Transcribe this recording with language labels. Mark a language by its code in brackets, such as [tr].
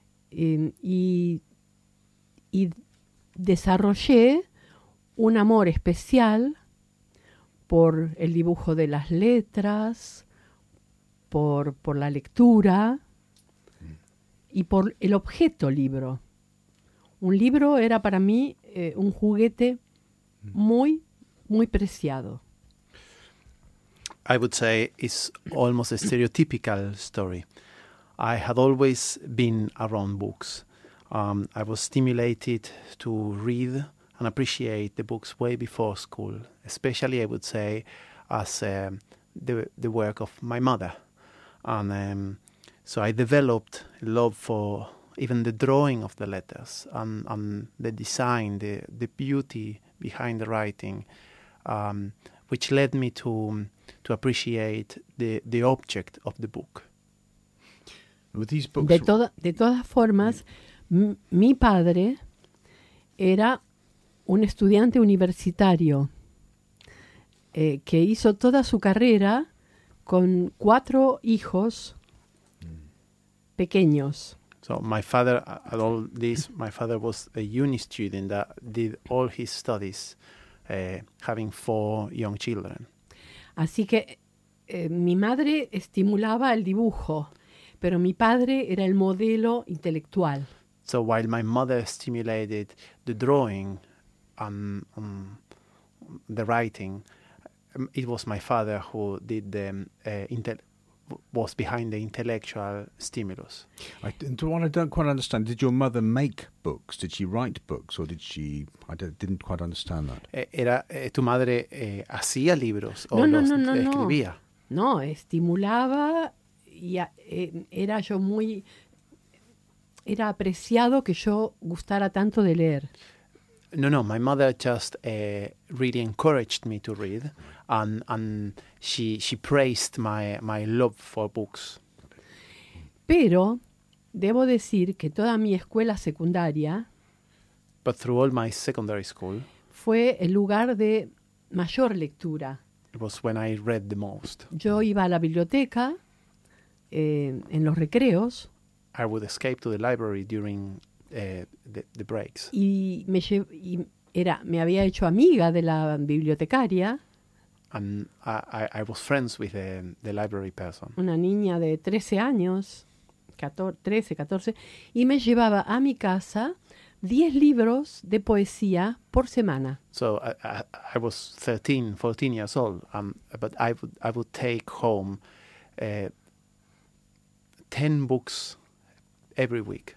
[es] Y desarrollé un amor especial por el dibujo de las letras, por la lectura y por el objeto libro. Un libro era para mí un juguete muy, muy preciado. [en] I would say it's almost a stereotypical story. I had always been around books. I was stimulated to read and appreciate the books way before school, especially, I would say, as the work of my mother. And so I developed love for even the drawing of the letters and the design, the beauty behind the writing, which led me to appreciate the object of the book. With these books, [es] de todas formas, mi padre era un estudiante universitario que hizo toda su carrera con cuatro hijos pequeños. [en] So my father, at all this, my father was a uni student that did all his studies having four young children. [es] Así que mi madre estimulaba el dibujo, pero mi padre era el modelo intelectual. [en] So while my mother stimulated the drawing, the writing, it was my father who did the was behind the intellectual stimulus. I don't quite understand. Did your mother make books? Did she write books, or did she? I didn't quite understand that. [es] Era tu madre hacía libros no, o no, los no, no, escribía. No, estimulaba y era yo muy era apreciado que yo gustara tanto de leer. [en] No, my mother just really encouraged me to read, and she praised my love for books. [es] Pero debo decir que toda mi escuela secundaria, [en] but through all my secondary school, [es] fue el lugar de mayor lectura. [en] It was when I read the most. [es] Yo iba a la biblioteca en los recreos. [en] I would escape to the library during the breaks. [es] Y me había hecho amiga de la bibliotecaria. [en] And I was friends with the library person. [es] Una niña de 13 años, 14, y me llevaba a mi casa 10 libros de poesía por semana. [en] So I was 13, 14 years old, but I would take home 10 books every week.